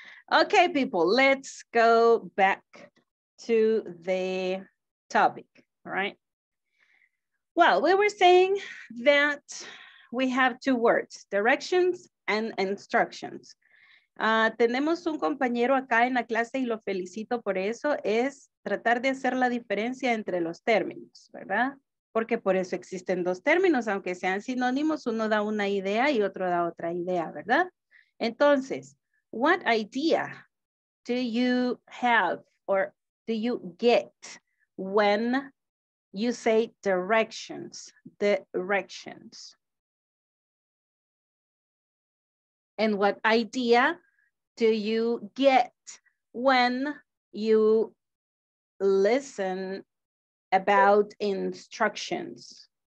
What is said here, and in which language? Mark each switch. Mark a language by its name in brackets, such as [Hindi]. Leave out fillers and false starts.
[English] Okay, people, let's go back to the topic, right? Well, we were saying that we have two words, directions and instructions. [Spanish] Tenemos un compañero acá en la clase y lo felicito por eso, es tratar de hacer la diferencia entre los términos, ¿verdad? Porque por eso existen dos términos, aunque sean sinónimos, uno da una idea y otro da otra idea, ¿verdad? [English] Entonces, what idea do you have or do you get when you say directions? Directions. and what idea do you get when you listen about instructions?